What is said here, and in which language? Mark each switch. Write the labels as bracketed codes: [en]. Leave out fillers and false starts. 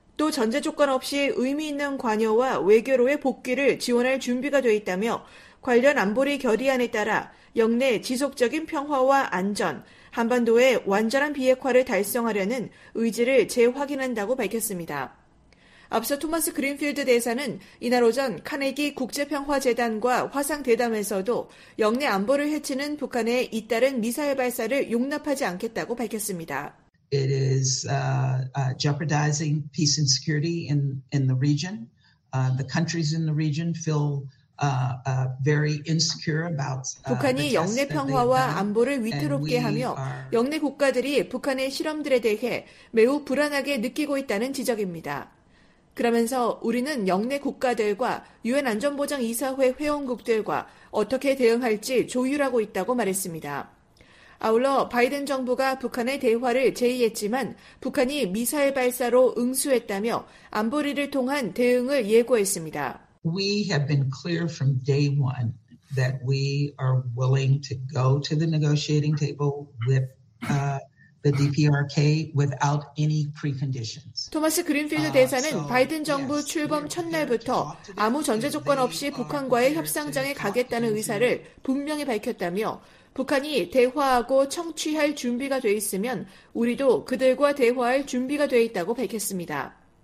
[ko] 또 전제 조건 없이 의미 있는 관여와 외교로의 복귀를 지원할 준비가 되어 있다며 관련 안보리 결의안에 따라 역내 지속적인 평화와 안전, 한반도의 완전한 비핵화를 달성하려는 의지를 재확인한다고 밝혔습니다. 앞서 토마스 그린필드 대사는 이날 오전 카네기 국제평화재단과 화상대담에서도 역내 안보를 해치는 북한의 잇따른 미사일 발사를 용납하지 않겠다고 밝혔습니다. [en] It is jeopardizing peace and security in the region. The countries in the region feel very insecure about [ko] 북한이 영내 평화와 안보를 위태롭게 하며 영내 국가들이 북한의 실험들에 대해 매우 불안하게 느끼고 있다는 지적입니다. 그러면서 우리는 영내 국가들과 유엔 안전보장 이사회 회원국들과 어떻게 대응할지 조율하고 있다고 말했습니다. 아울러 바이든 정부가 북한의 대화를 제의했지만 북한이 미사일 발사로 응수했다며 안보리를 통한 대응을 예고했습니다. [en] We have been clear from day one that we are willing to go to the negotiating table with the DPRK without any preconditions. [ko] 토마스 그린필드 대사는 바이든 정부 출범 첫날부터 아무 전제 조건 없이 북한과의 협상장에 가겠다는 의사를 분명히 밝혔다며 북한이 대화하고 청취할 준비가 돼 있으면 우리도 그들과 대화할 준비가 돼 있다고 밝혔습니다.